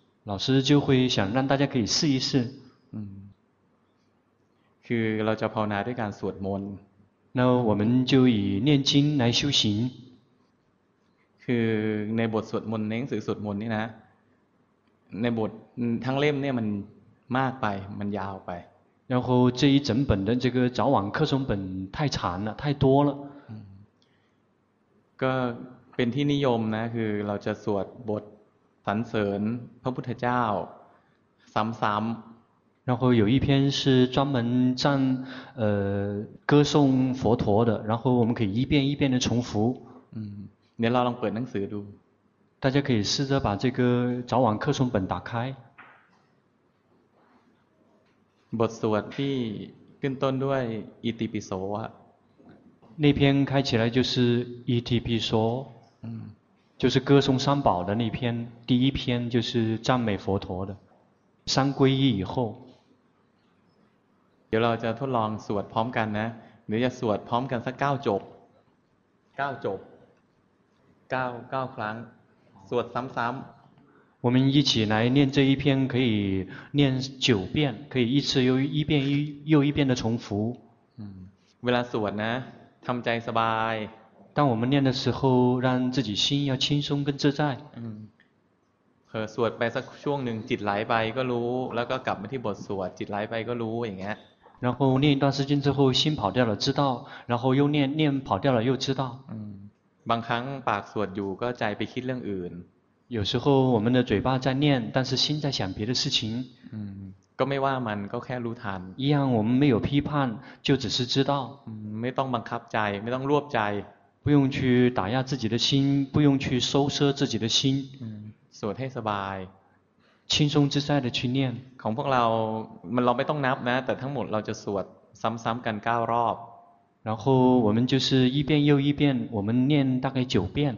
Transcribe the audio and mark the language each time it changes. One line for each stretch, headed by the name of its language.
Chinese: 老师就会想让大家可以试一试
Thai: คือเราจะภาวนาด้วยการสวดมนต์
Chinese: 那我们就以念经来修行
Thai: คือในบทสวดมนต์ในหนังสือสวดมนต์นี่นะในบททั้งเล่มเนี่ยมันมากไปมันยาวไป
Chinese: 然后这一整本的这个早晚课程本太长了太多了
Thai: ก็เป็นที่นิยมนะคือเราจะสวดบทสรรเสริญพระพุทธเจ้าซ้ำๆ
Chinese: 然后有一篇是专门赞歌颂佛陀的，然后我们可以一遍一遍的重复。嗯，你拉拢本能思路，大家可以试着把这个早晚课程本打开。
Thai: บทสวดที่ขึ้นต้นด้วยอิติปิโสะ
Chinese: 那篇开起来就是อิติปิโส，嗯，就是歌颂三宝的那篇，第一篇就是赞美佛陀的。三皈依以后，
Thai: เดี๋ยวเราจะทดลองสวดพร้อมกันนะหรือจะสวดพร้อมกันสักเก้าจบเก้าจบเก้าครั้งสวดซ้ำ
Chinese: ๆ我们一起来念这一篇可以念九遍可以一次又一遍又一遍的重复
Thai: เวลาสวดนะทำใจสบาย
Chinese: 当我们念的时候让自己心要轻松跟自在
Thai: สวดไปสักช่วงหนึ่งจิตไหลไปก็รู้แล้วก็กลับมาที่บทสวดจิตไหลไปก็รู้อย่างเงี้ย
Chinese: 然后念一段时间之后心跑掉了知道然后又念念跑掉了又知道
Thai: บางครั้งปากสวดอยู่ก็ใจไปคิดเรื่องอื่น
Chinese: 有时候我们的嘴巴在念但是心在想别的事情
Thai: ก็ไม่ว่ามันก็แค่รู้ทัน
Chinese: 一样我们没有批判就只是知道
Thai: ไม่ต้องบังคับใจไม่ต้องรวบใจ
Chinese: 不用去打压自己的心不用去收摄自己的心
Thai: สวดให้สบาย
Chinese: 轻松自在的去念
Thai: ของพวกเรามันเราไม่ต้องนับนะแต่ทั้งหมดเราจะสวดซ้ำๆกัน9รอบ
Chinese: 然后我们就是一遍又一遍我们念大概9遍